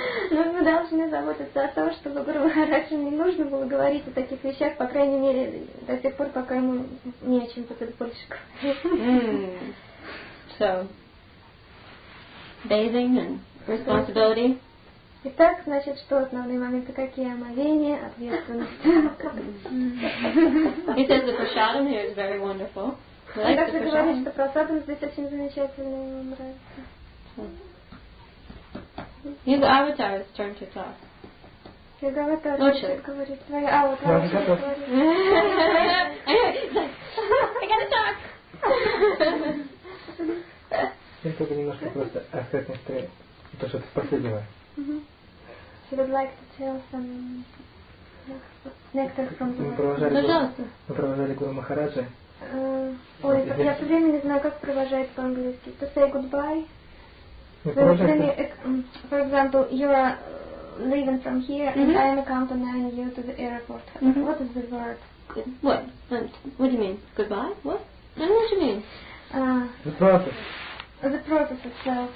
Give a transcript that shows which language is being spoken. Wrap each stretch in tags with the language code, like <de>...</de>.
<ru>Но мы должны заботиться о том, чтобы Гуру Махараджу не нужно было говорить о таких вещах, по крайней мере, до тех пор, пока ему не о чем больше говорить.</ru> <en>So, bathing and responsibility.</en> <ru>Итак, значит, что основные моменты? Какие? Омовение, ответственность.</ru> <en>He says the prasadam here is very wonderful.</en> <ru>Он также говорит, что прасадам здесь очень замечательный, ему нравится.</ru> <en>His avatar is turned to talk.</en> <ru>Его аватар хочет говорить. Твой аватар хочет говорить. Я только немножко просто оставить настроение. То, что ты последнего.</ru> <en>She would like to tell some nectar from the...</en> <ru>Мы провожали Гуру Махараджа. Ой, я все время не знаю, как провожать по-английски.</ru> <en>To say goodbye. For example, you are leaving from here mm-hmm. and I am accompanying you to the airport. Mm-hmm. What is the word? What? What do you mean? Goodbye? What? I don't know what you mean. The process itself.</en>